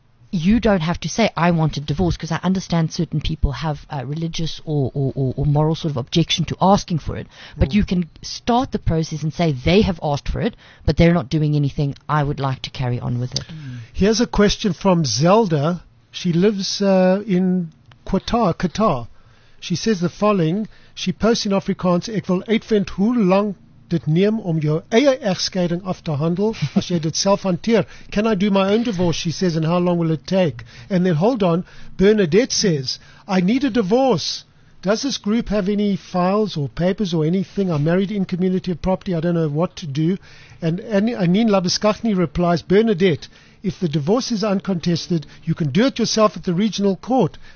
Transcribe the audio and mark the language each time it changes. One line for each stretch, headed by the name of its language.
English: You don't have to say, I want a divorce, because I understand certain people have a religious or moral sort of objection to asking for it. But you can start the process and say, they have asked for it, but they're not doing anything. I would like to carry on with it. Here's a question from Zelda. She lives in Qatar. She says the following. She posts in Afrikaans,
Afrikaans: Ek wil uitvind hoe lang dit neem om jou eie egskeiding af te handel as jy dit self hanteer.
English: Can I do my own divorce, she says, and how long will it take? And then, hold on, Bernadette says, I need a divorce. Does this group have any files or papers or anything? I'm married in community of property. I don't know what to do. And Anine Labiskakhni replies, Bernadette, if the divorce is uncontested, you can do it yourself at the regional court.